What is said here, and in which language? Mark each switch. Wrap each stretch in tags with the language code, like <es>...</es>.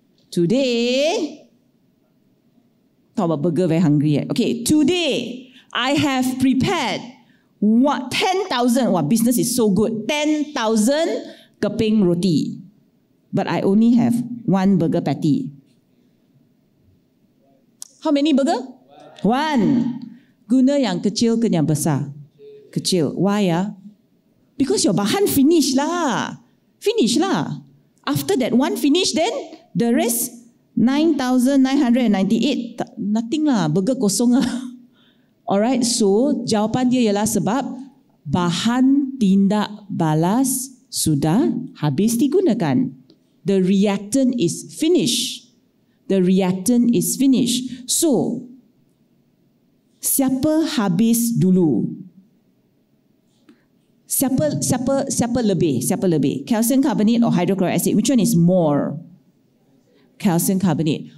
<en>Today, talk about burger, very hungry, okay, today, I have prepared 10,000. Wow, business is so good. 10,000</en> <ms>keping roti.</ms> <en>But I only have one burger patty. How many burger? One.</en> <ms>Guna yang kecil ke yang besar? Kecil.</ms> <en>Why? Because your bahan finish lah. Finish lah. After that one finish, then the rest 9,998. Nothing lah.</en> <ms>Burger kosong lah. Alright, so jawapan dia ialah sebab bahan tindak balas sudah habis digunakan.</ms> <en>The reactant is finished. The reactant is finished.</en> <ms>So, siapa habis dulu? Siapa lebih?</ms> <en>Calcium carbonate or hydrochloric acid? Which one is more? Calcium carbonate.</en>